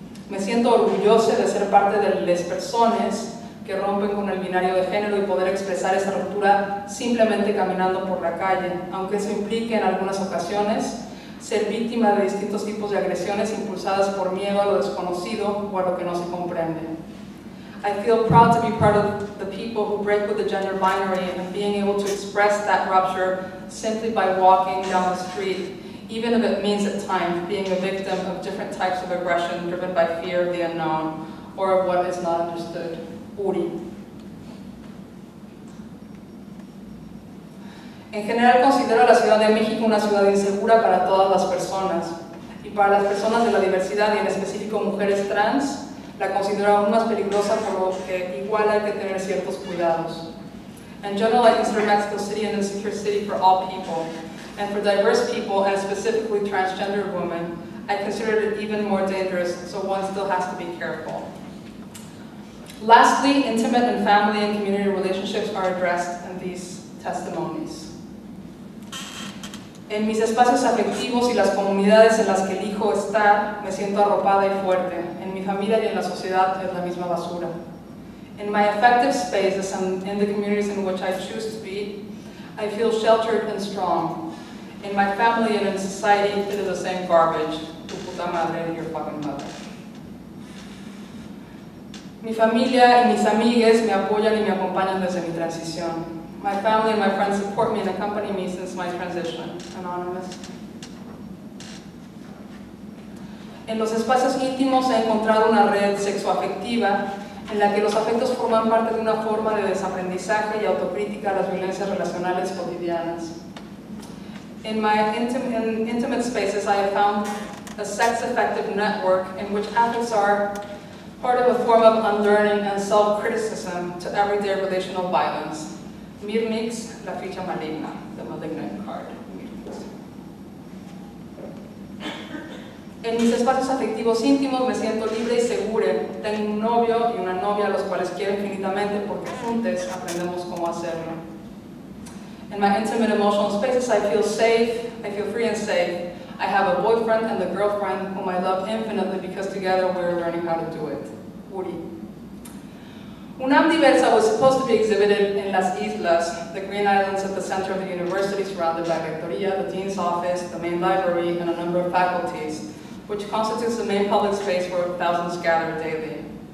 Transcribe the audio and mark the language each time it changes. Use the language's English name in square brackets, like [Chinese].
[Spanish] Me siento orgullosa de ser parte de las personas que rompen con el binario de género y poder expresar esa ruptura simplemente caminando por la calle, aunque eso implique en algunas ocasiones ser víctima de distintos tipos de agresiones impulsadas por miedo a lo desconocido o a lo que no se comprende. [English] I feel proud to be part of the people who break with the gender binary and being able to express that rupture simply by walking down the street, even if it means at times being a victim of different types of aggression driven by fear of the unknown or of what is not understood. Uri. [Spanish] En general considero la Ciudad de México una ciudad insegura para todas las personas. Y para las personas de la diversidad y en específico mujeres trans, la considero aún más peligrosa por lo que igual hay que tener ciertos cuidados. [English] In general, I consider Mexico City an insecure city for all people. And for diverse people, and specifically transgender women, I consider it even more dangerous, so one still has to be careful. Lastly, intimate and family and community relationships are addressed in these testimonies. [Spanish] En mis espacios afectivos y las comunidades en las que elijo estar, me siento arropada y fuerte. En mi familia y en la sociedad es la misma basura. [English] In my affective spaces and in the communities in which I choose to be, I feel sheltered and strong. In my family and in society, it is the same garbage. [Spanish] Tu puta madre y [English] your fucking mother. [Spanish] Mi familia y mis amigues me apoyan y me acompañan desde mi transición. [English] My family and my friends support me and accompany me since my transition. Anonymous. [Spanish] En los espacios íntimos he encontrado una red sexoafectiva en la que los afectos forman parte de una forma de desaprendizaje y autocrítica a las violencias relacionales cotidianas. [English] In my intimate spaces, I have found a sex-affective network in which affects are part of a form of unlearning and self-criticism to everyday relational violence. [Spanish] Mirmix, la ficha maligna, [English] the malignant card. [Spanish] En mis espacios afectivos íntimos me siento libre y segura. Tengo un novio y una novia a los cuales quiero infinitamente porque juntos aprendemos cómo hacerlo. [English] In my intimate emotional spaces, I feel safe, I feel free and safe. I have a boyfriend and a girlfriend whom I love infinitely because together we're learning how to do it. Uri. UNAM Diversa was supposed to be exhibited in Las Islas, the green islands at the center of the university surrounded by Rectoría, the dean's office, the main library, and a number of faculties, which constitutes the main public space where thousands gather daily.